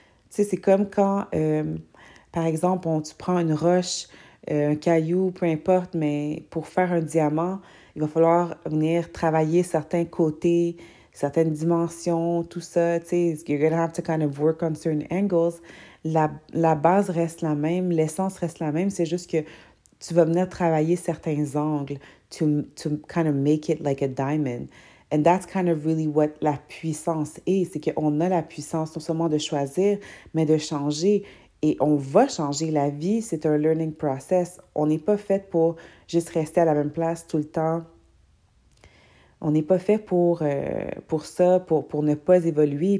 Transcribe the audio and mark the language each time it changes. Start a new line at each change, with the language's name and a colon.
French: Tu sais, c'est comme quand, par exemple, tu prends une roche, un caillou, peu importe, mais pour faire un diamant, il va falloir venir travailler certains côtés, certaines dimensions, tout ça. Tu sais,
English: you're going to have to kind of work on certain angles.
French: La base reste la même, l'essence reste la même, c'est juste que tu vas venir travailler certains angles
English: to kind of make it like a diamond. And that's kind of really what
French: la puissance est. C'est qu'on a la puissance non seulement de choisir, mais de changer. Et on va changer. La vie, c'est un
English: learning process.
French: On n'est pas fait pour juste rester à la même place tout le temps. On n'est pas fait pour ça, pour ne pas évoluer.